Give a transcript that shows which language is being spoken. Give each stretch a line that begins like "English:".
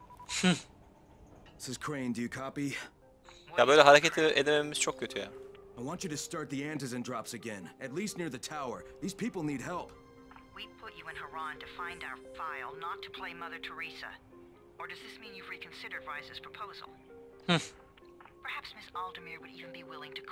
English: This is Crane, do you copy?
Turkish: Ya böyle hareket edememiz çok kötü ya.
English: I want you to start the antizen drops again, at least near the tower. These people need help. We put you in Harran to find our file, not to play Mother Teresa. Or does this mean you've reconsidered Ryze's proposal? Perhaps Miss Aldemir would even be willing to